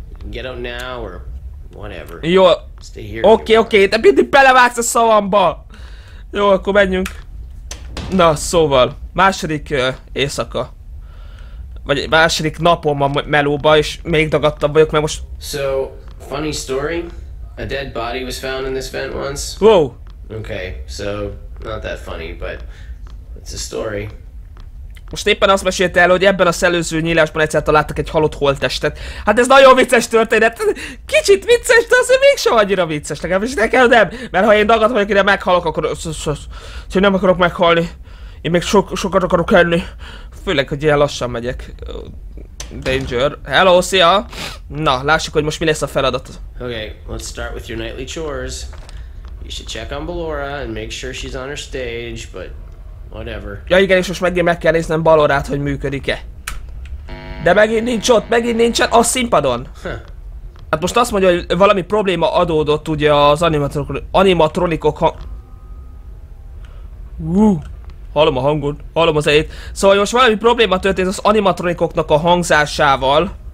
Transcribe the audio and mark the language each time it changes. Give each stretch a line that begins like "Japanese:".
English: Get out now or whatever.
Hungarian: Jó. Oké, de mindig belevágsz a szavamba. Jó, akkor menjünk. Na, szóval, második éjszaka. Vagy második napom a melóba, és még dagadtabb vagyok, mert most...
English: So, funny story. A dead body was found in this vent once. Wow. Okay, so, not that funny, but it's a story.
Hungarian: Most éppen azt mesélte el, hogy ebben a szellőző nyílásban egyszer találtak egy halott holttestet. Hát ez nagyon vicces történet. Kicsit vicces, de azért mégsem annyira vicces. Legalábbis nekem nem. Mert ha én dagad vagyok, ide meghalok, akkor... Úgyhogy nem akarok meghalni. Én még sokat akarok enni. Főleg, hogy ilyen lassan megyek. Danger. Hello, szia! Na, lássuk, hogy most mi lesz a feladat.
English: Okay, let's start with your nightly chores. You should check on Ballora and make sure she's on her stage, but... whatever.
Hungarian: Ja igen, és most megint meg kell néznem Ballorát, hogy működik-e. De megint nincs ott, megint nincsen a színpadon. Huh. Hát most azt mondja, hogy valami probléma adódott ugye az animatronikok hang... Hallom a hangot, hallom az elét. Szóval most valami probléma történt az animatronikoknak a hangzásával.